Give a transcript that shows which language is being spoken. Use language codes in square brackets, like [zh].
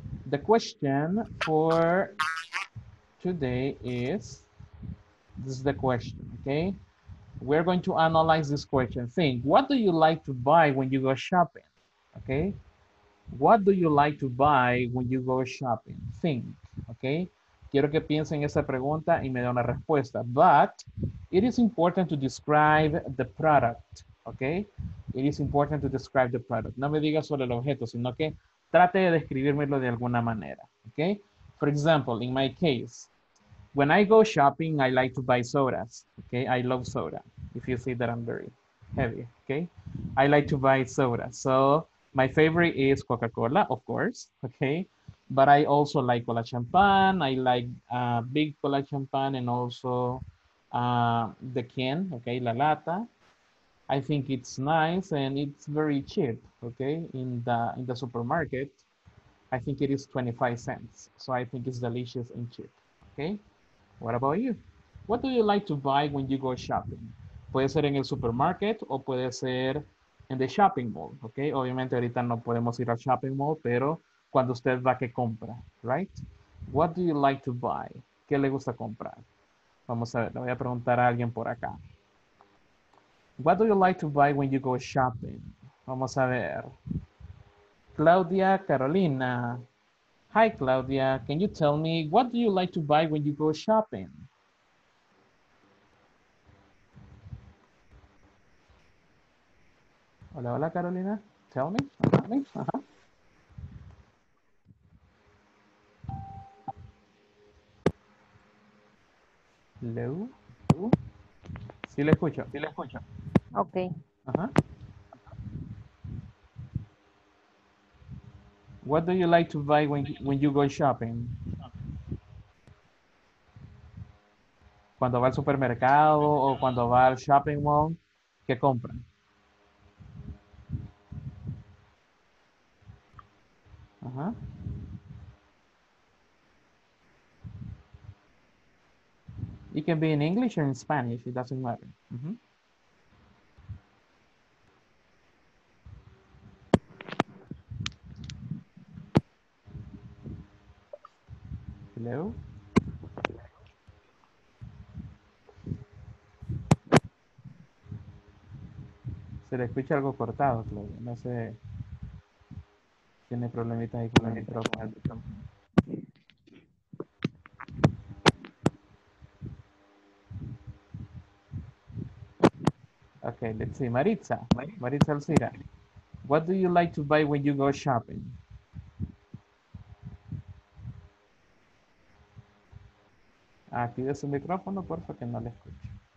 [en] The question for today is, this is the question, okay? We're going to analyze this question. Think, what do you like to buy when you go shopping? Okay? What do you like to buy when you go shopping? Think, okay? [es] Quiero que piensen esa pregunta y me den una respuesta. [en] But it is important to describe the product, okay? It is important to describe the product. [es] No me diga solo el objeto, sino que trate de describírmelo de alguna manera, okay? [en] For example, in my case, when I go shopping, I like to buy sodas, okay? I love soda. If you see that I'm very heavy, okay? I like to buy soda. So my favorite is Coca-Cola, of course, okay? But I also like cola champagne. I like big cola champagne and also the can, okay? [es] La lata. [en] I think it's nice and it's very cheap, okay? In the supermarket, I think it is 25 cents. So I think it's delicious and cheap, okay? What about you? What do you like to buy when you go shopping? [es] Puede ser en el supermarket o puede ser en [en] the shopping mall, [es] okay? Obviamente ahorita no podemos ir al shopping mall, pero cuando usted va que compra, right? [en] What do you like to buy? [es] ¿Qué le gusta comprar? Vamos a ver, le voy a preguntar a alguien por acá. [en] What do you like to buy when you go shopping? [es] Vamos a ver. [en] Claudia Carolina. Hi, Claudia. Can you tell me, what do you like to buy when you go shopping? [es] Hola, hola, Carolina. [en] Tell me. Hello? Hello? [es] Sí, le escucho. Sí, le escucho. [en] Okay. What do you like to buy when you go shopping? [es] Cuando va al supermercado o cuando va al shopping mall, ¿qué compra? Uh-huh. [en] It can be in English or in Spanish, it doesn't matter. Uh-huh. Hello? [es] Se le escucha algo cortado, Claudia. No sé. Tiene problemitas ahí con el micrófono. [en] Okay, let's see. Maritza. Maritza Alcira. What do you like to buy when you go shopping? [es] Activa su micrófono, por favor, que no le escucho.